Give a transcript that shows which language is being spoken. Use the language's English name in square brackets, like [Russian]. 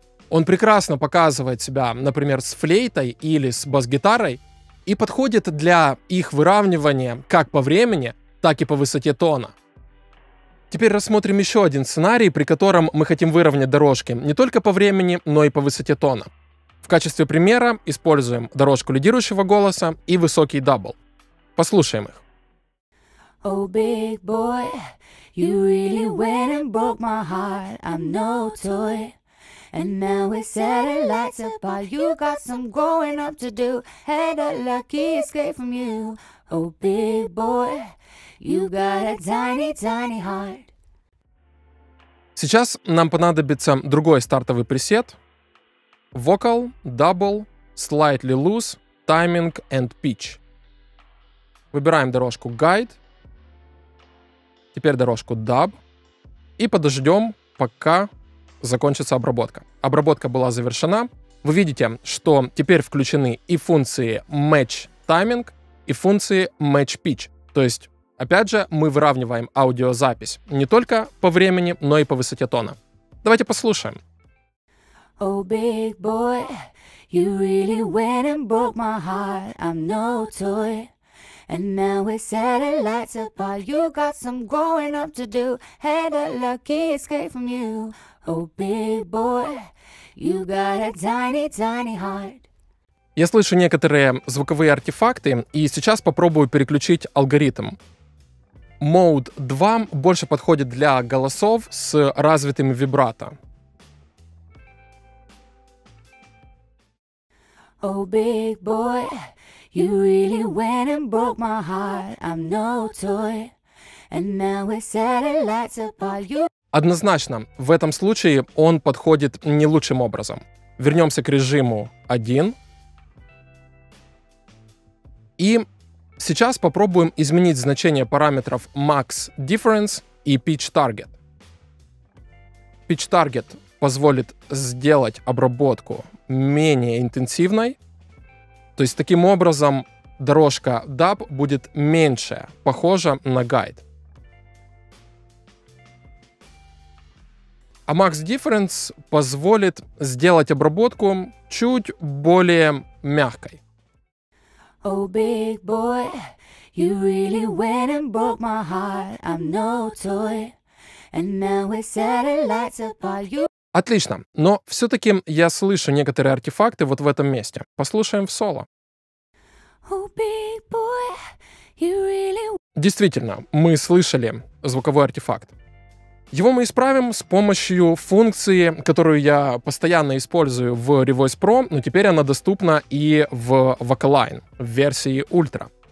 [Russian] Он прекрасно показывает себя, например, с флейтой или с бас-гитарой, и подходит для их выравнивания как по времени, так и по высоте тона. Теперь рассмотрим еще один сценарий, при котором мы хотим выровнять дорожки не только по времени, но и по высоте тона. В качестве примера используем дорожку лидирующего голоса и высокий дабл. Послушаем их. [English] Oh, big boy, you really went and broke my heart. I'm no toy. And now we set the lights apart. You got some growing up to do. Had a lucky escape from you. Oh, big boy, you got a tiny, tiny heart. [Russian] Сейчас нам понадобится другой стартовый пресет. [English] Vocal, Double, Slightly Loose, Timing and Pitch. [Russian] Выбираем дорожку Guide. Теперь дорожку Dub. И подождем, пока закончится обработка. Обработка была завершена. Вы видите, что теперь включены и функции Match Timing, и функции Match Pitch. То есть, опять же, мы выравниваем аудиозапись не только по времени, но и по высоте тона. Давайте послушаем. [English] Oh, big boy, you really went and broke my heart. I'm no toy. And now we set the lights apart. You got some growing up to do. Had a lucky escape from you. Oh, big boy, you got a tiny, tiny heart. [Russian] Я слышу некоторые звуковые артефакты, и сейчас попробую переключить алгоритм. Mode 2 больше подходит для голосов с развитым вибрато. [English] Oh, big boy, you really went and broke my heart. I'm no toy, and now we set the lights apart. You... [Russian] Однозначно, в этом случае он подходит не лучшим образом. Вернемся к режиму 1. И сейчас попробуем изменить значение параметров Max Difference и Pitch Target. Pitch Target позволит сделать обработку менее интенсивной. То есть таким образом дорожка Dub будет меньше похожа на гайд. А Max Difference позволит сделать обработку чуть более мягкой. [English] Oh, big boy, you really went and broke my heart. I'm no toy. And now we set the lights apart. You... [Russian] Отлично, но все-таки я слышу некоторые артефакты вот в этом месте. Послушаем в соло. [English] Oh, big boy, you really... [Russian] Действительно, мы слышали звуковой артефакт. Его мы исправим с помощью функции, которую я постоянно использую в Revoice Pro, но теперь она доступна и в Vocaline, в версии Ultra.